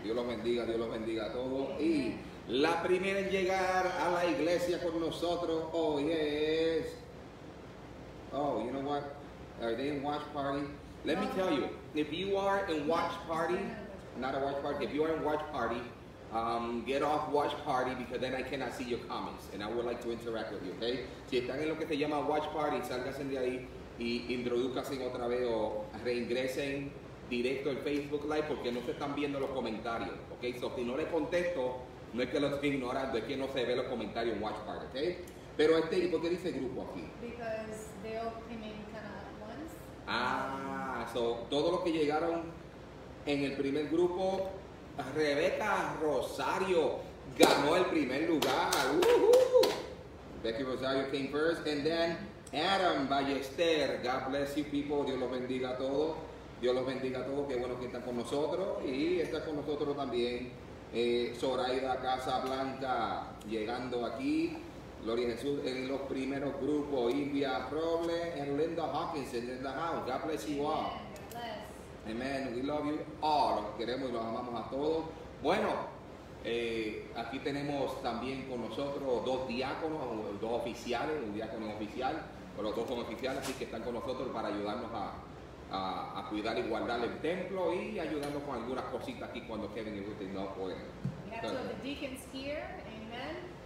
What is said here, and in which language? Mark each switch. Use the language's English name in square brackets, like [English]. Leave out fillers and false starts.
[Spanish] Dios los bendiga a todos, amen. Y la primera en llegar a la iglesia con nosotros hoy es, [English] oh, you know what, are they in watch party, let me tell you, if you are in watch party, not a watch party, if you are in watch party, get off watch party because then I cannot see your comments and I would like to interact with you, okay? [Spanish] Si están en lo que se llama watch party, salgan de ahí y introduzcanse otra vez o reingresen directo al Facebook Live porque no se están viendo los comentarios, okay? So si no les contesto, no es que los estoy ignorando, es que no se ve los comentarios en watch party, okay? Pero este, ¿y por qué dice grupo aquí? [English] Because they all came in kind of at once. [Spanish] Ah, so todos los que llegaron en el primer grupo, Rebeca Rosario ganó el primer lugar. [English] Woo-hoo! Becky Rosario came first. And then Adam Ballester. God bless you people. [Spanish] Dios los bendiga a todos. Dios los bendiga a todos. Qué bueno que están con nosotros. Y está con nosotros también Zoraida Casablanca llegando aquí. Gloria a Jesús. En los primeros grupos. [English] India Proble and Linda Hawkins in the house. God bless you all. Amen. We love you all. [Spanish] Los queremos y los amamos a todos. Bueno, aquí tenemos también con nosotros dos diáconos, dos oficiales, un diácono oficial, o los dos son oficiales, así que están con nosotros para ayudarnos a cuidar y guardar el templo y ayudarnos con algunas cositas aquí cuando Kevin y Ruth no pueden. [English] We have two of the deacons here, amen.